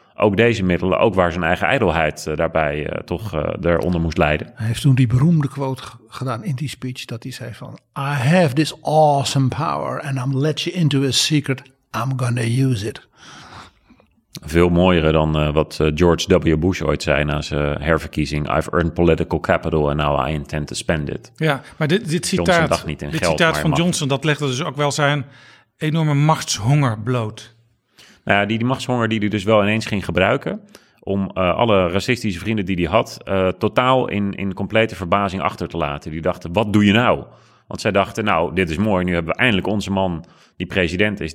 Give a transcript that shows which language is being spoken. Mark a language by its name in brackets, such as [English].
[Dutch] Ook deze middelen, ook waar zijn eigen ijdelheid daarbij toch eronder moest leiden. Hij heeft toen die beroemde quote gedaan in die speech, dat hij zei van, [English] I have this awesome power and I'm let you into a secret, I'm gonna use it. [Dutch] Veel mooier dan wat George W. Bush ooit zei na zijn herverkiezing. [English] I've earned political capital and now I intend to spend it. [Dutch] Ja, maar dit citaat, dacht niet in dit geld, citaat van Johnson, dat legde dus ook wel zijn enorme machtshonger bloot. Nou ja, die machtshonger die hij dus wel ineens ging gebruiken om alle racistische vrienden die hij had totaal in complete verbazing achter te laten. Die dachten, wat doe je nou? Want zij dachten, nou, dit is mooi. Nu hebben we eindelijk onze man die president is.